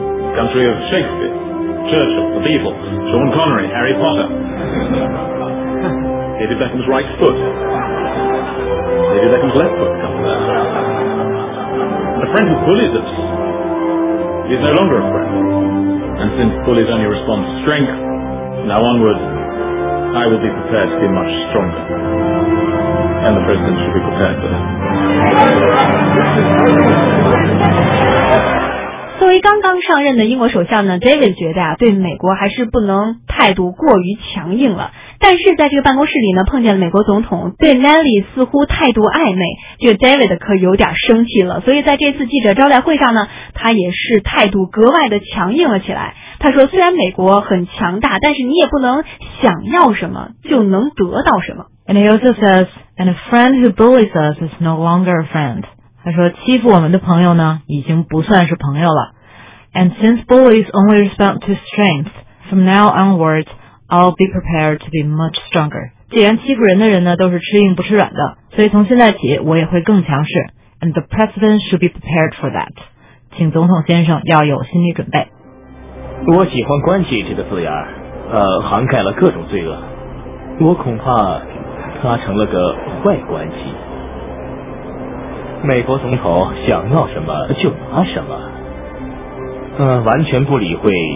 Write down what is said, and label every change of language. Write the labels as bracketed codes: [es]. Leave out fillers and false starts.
[en] The country of Shakespeare. Churchill, the Beatles, Sean Connery, Harry Potter, David Beckham's right foot, David Beckham's left foot, the friend who bullies us is no longer a friend, and since bullies only respond to strength, now onward, I will be prepared to be much stronger, and the president should be prepared for that. [zh] 作为刚刚上任的英国首相呢 ，David 觉得啊，对美国还是不能态度过于强硬了。但是在这个办公室里呢，碰见了美国总统，对 Nelly 似乎态度暧昧，这个 David 可有点生气了。所以在这次记者招待会上呢，他也是态度格外的强硬了起来。他说，虽然美国很强大，但是你也不能想要什么就能得到什么。 [en] And he also says, and a friend who bullies us is no longer a friend. [zh] 他说欺负我们的朋友呢已经不算是朋友了。 [en] And since bullies only respond to strength, from now onward, I'll be prepared to be much stronger. [zh] 既然欺负人的人呢都是吃硬不吃软的，所以从现在起我也会更强势。 [en] And the president should be prepared for that. [zh] 请总统先生要有心理准备。我喜欢关系这个字眼，涵盖了各种罪恶。我恐怕他成了个坏关系。美国总统想要什么就拿什么，完全不理会。